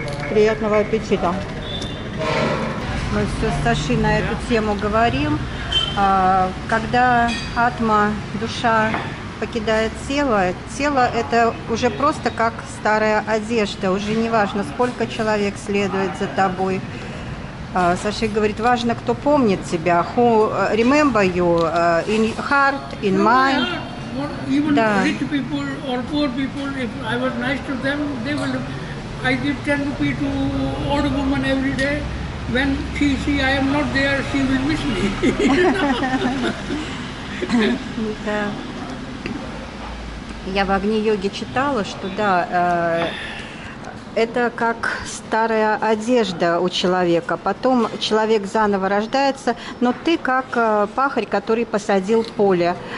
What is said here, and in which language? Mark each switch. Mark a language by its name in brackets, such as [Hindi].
[Russian] Приятного аппетита! Мы все с Сашей на эту тему говорим. Когда атма, душа покидает тело. Тело – это уже просто как старая одежда. Уже не важно, сколько человек следует за тобой. Саши говорит, важно, кто помнит тебя. [English] Who remember you in heart, in mind. Even [Russian] да. [English] Rich people or poor people, if I was nice to them, they will... I give 10 rupees to old woman every day. When she see I am not there, she will miss me. [Russian] Да. Я в Агни-йоге читала, что да, это как старая одежда у человека. Потом человек заново рождается, но ты как пахарь, который посадил поле.